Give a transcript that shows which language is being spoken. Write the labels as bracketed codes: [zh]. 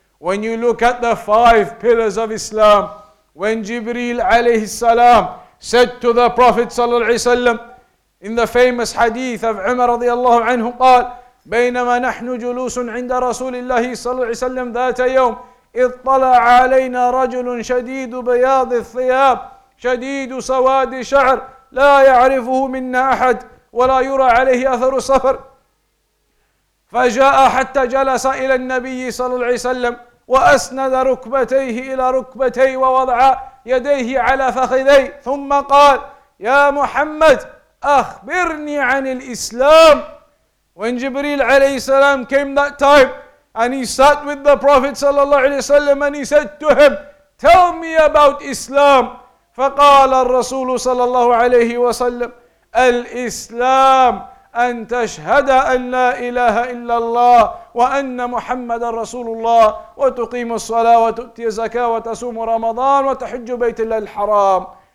[en] When you look at the five pillars of Islam, when Jibreel alayhi salam said to the Prophet sallallahu alayhi wasallam in the famous hadith of Umar radiallahu anhu, [ar] قال بينما نحن جلوس عند رسول الله صلى الله عليه وسلم ذات يوم اطلع علينا رجل شديد بياض الثياب شديد سواد شعر لا يعرفه منا أحد ولا يرى عليه أثر السفر فجاء حتى جلس إلى النبي صلى الله عليه وسلم وأسند ركبتيه إلى ركبتي ووضع يديه على فخذي ثم قال يا محمد أخبرني عن الإسلام. [en] When Jibreel alayhi salam came that time and he sat with the Prophet sallallahu alayhi wasallam and he said to him, tell me about Islam. [ar] فقال الرسول صلى الله عليه وسلم الإسلام أن تشهد أن لا إله إلا الله وأن محمد رسول الله وتقيم الصلاة وتؤتي الزكاة وتصوم رمضان وتحج بيت الله الحرام.